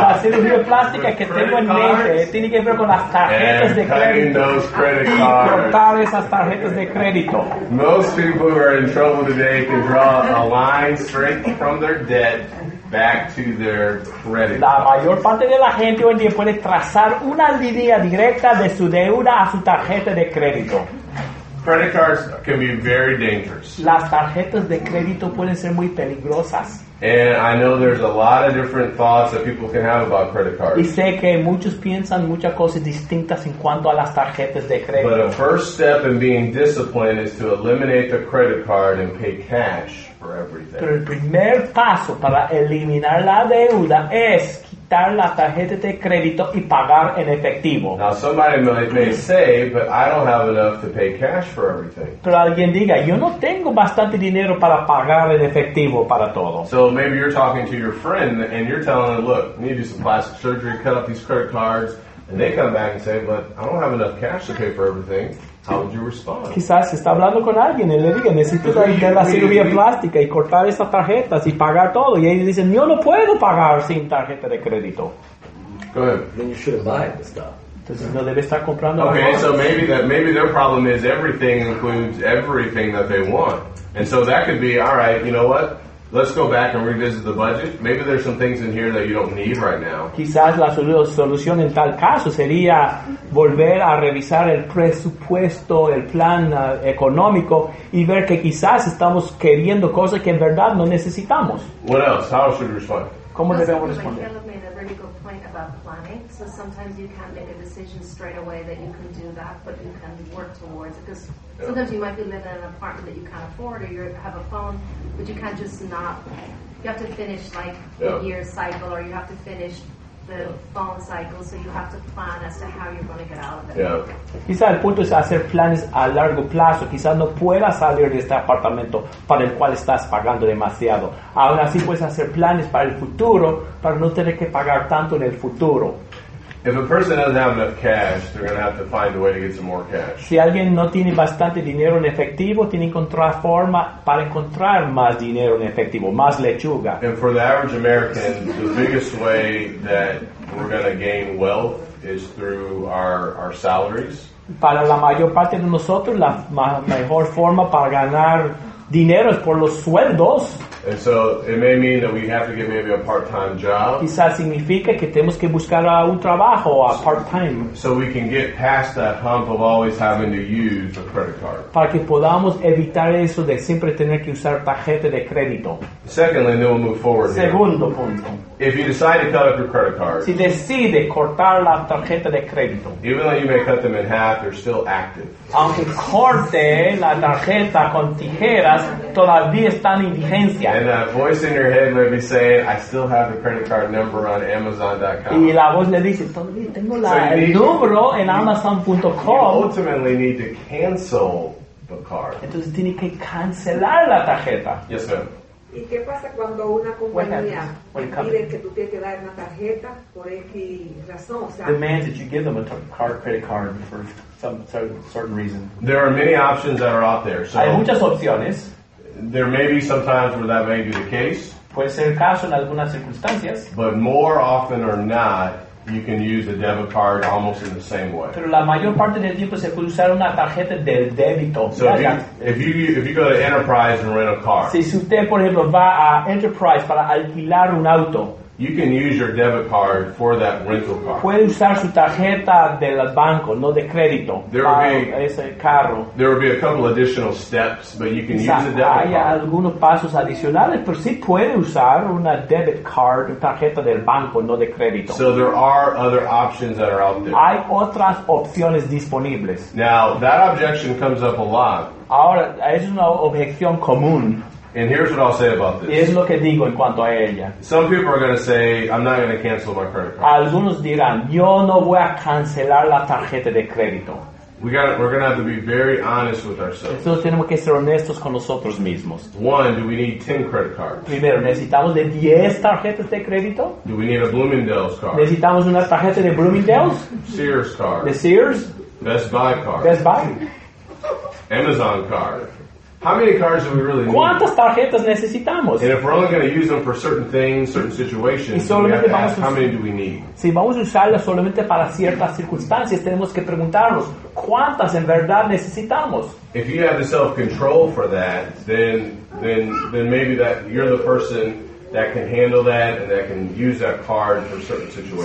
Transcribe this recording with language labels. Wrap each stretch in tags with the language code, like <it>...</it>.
<es>La cirugía plástica que tengo en mente tiene que ver con las tarjetas de crédito.</es> <en>And cutting those credit cards.</en> <es>Y cortar esas tarjetas de crédito.</es> <en>Most people who are in trouble today can draw a line straight from their debt back to their credit.</en> <es>La mayor parte de la gente hoy en día puede trazar una línea directa de su deuda a su tarjeta de crédito.</es> <en>Credit cards can be very dangerous.</en> <es>Las tarjetas de crédito pueden ser muy peligrosas.</es> <en>And I know there's a lot of different thoughts that people can have about credit cards.</en> <es>Y sé que muchos piensan muchas cosas distintas en cuanto a las tarjetas de crédito.</es> <en>But a first step in being disciplined is to eliminate the credit card and pay cash for everything.</en> <es>Pero el primer paso para eliminar la deuda es quitar la tarjeta de crédito y pagar en efectivo.</es> <en>Now somebody may say, but I don't have enough to pay cash for everything.</en> <es>Pero alguien diga, yo no tengo bastante dinero para pagar en efectivo para todo.</es> <en>So maybe you're talking to your friend and you're telling them, look, we need to do some plastic surgery, cut up these credit cards. And they come back and say, but I don't have enough cash to pay for everything. How would you respond?</en> <es>Quizás está hablando con alguien y le diga, necesito hacer la cirugía plástica y cortar esas tarjetas y pagar todo. Y ellos dicen, yo no puedo pagar sin tarjeta de crédito.</es> <en>Go ahead. Then you should buy the stuff.</en> <es>Entonces no debe estar comprando.</es> <en>Okay, so maybe their problem is everything includes everything that they want. And so that could be, all right, you know what? Let's go back and revisit the budget. Maybe there's some things in here that you don't need right now.</en> <es>Quizás la solución en tal caso sería volver a revisar el presupuesto, el plan económico, y ver que quizás estamos queriendo cosas que en verdad no necesitamos.</es> <en>What else? How should we respond?</en> <es>¿Cómo debemos responder?</es> <en>Caleb made a very good point about planning. So sometimes you can't make a decision straight away that you can do that, but you can work towards it. Because sometimes you might be living in an apartment that you can't afford, or you have a phone, but you can't just not. You have to finish like the year cycle, or you have to finish the phone cycle. So you have to plan as to how you're going to get out of it. Yeah.</en> <es>Quizá el punto es hacer planes a largo plazo. Quizás no puedas salir de este apartamento para el cual estás pagando demasiado. Aún así puedes hacer planes para el futuro para no tener que pagar tanto en el futuro.</es> <en>If a person doesn't have enough cash, they're going to have to find a way to get some more cash.</en> <es>Si alguien no tiene bastante dinero en efectivo, tiene que encontrar forma para encontrar más dinero en efectivo, más lechuga.</es> <en>And for the average American, the biggest way that we're going to gain wealth is through our salaries.</en> <es>Para la mayor parte de nosotros, la mejor forma para ganar dinero es por los sueldos.</es> <en>And so it may mean that we have to get maybe a part-time job.</en> <es>Quizás significa que tenemos que buscar un trabajo a part-time.</es> <en>So we can get past that hump of always having to use a credit card.</en> <es>Para que podamos evitar eso de siempre tener que usar tarjeta de crédito.</es> <en>Secondly, then we'll move forward.</en> <es>Segundo punto.</es> <en>If you decide to cut up your credit card.</en> <es>Si decide cortar la tarjeta de crédito.</es> <en>Even though you may cut them in half, they're still active.</en> <es>Aunque corte la tarjeta con tijeras, todavía están en vigencia.</es> <en>And that voice in your head may be saying, I still have the credit card number on Amazon.com.</en> <es>Y la voz le dice, todavía tengo la, so el número en Amazon.com.</es> <en>You ultimately need to cancel the card.</en> <es>Entonces tiene que cancelar la tarjeta.</es> <en>Yes, ma'am.</en> <es>¿Y qué pasa cuando una compañía pide que tú tienes que dar una tarjeta por X razón? O sea,</es> <en>demands that you give them a credit card for some certain reason. There are many options that are out there. So</en> <es>hay muchas opciones.</es> <en>There may be some times where that may be the case.</en> <es>Puede ser caso en algunas circunstancias.</es> <en>But more often or not, you can use a debit card almost in the same way.</en> <es>Pero la mayor parte del tiempo se puede usar una tarjeta de débito.</es> <en>So if you go to Enterprise and rent a car.</en> <es>Si usted, por ejemplo, va a Enterprise para alquilar un auto.</es> <en>You can use your debit card for that rental car.</en> <es>Puede usar su tarjeta del banco, no de crédito.</es> <en>There will be a couple additional steps, but you can use a debit card.</en> <es>Hay algunos pasos adicionales, pero sí puede usar una</es> <en>debit card,</en> <es>tarjeta del banco, no de crédito.</es> <en>So there are other options that are out there.</en> <es>Hay otras opciones disponibles.</es> <en>Now, that objection comes up a lot.</en> <es>Ahora, es una objeción común.</es> <en>And here's what I'll say about this.</en> <es>Y es lo que digo en cuanto a ella.</es> <en>Some people are going to say, I'm not going to cancel my credit card.</en> <es>Algunos dirán, yo no voy a cancelar la tarjeta de crédito.</es> <en>We're going to have to be very honest with ourselves.</en> <es>Entonces tenemos que ser honestos con nosotros mismos.</es> <en>One, do we need 10 credit cards?</en> <es>Primero, ¿necesitamos de 10 tarjetas de crédito?</es> <en>Do we need a Bloomingdale's card?</en> <es>¿Necesitamos una tarjeta de Bloomingdale's?</es> <en>Sears card.</en> <es>¿De Sears?</es> <en>Best Buy card. Best Buy. Amazon card. How many cards do we really need?</en> <es>¿Cuántas tarjetas necesitamos?</es> <en>And if we're only going to use them for certain things, certain situations, so we have to ask, how many do we need?</en> <es>Si vamos a usarlas solamente para ciertas circunstancias, tenemos que preguntarnos, ¿cuántas en verdad necesitamos?</es> <en>If you have the self-control for that, then maybe that you're the person that can handle that and that can use that card for certain situations.</en>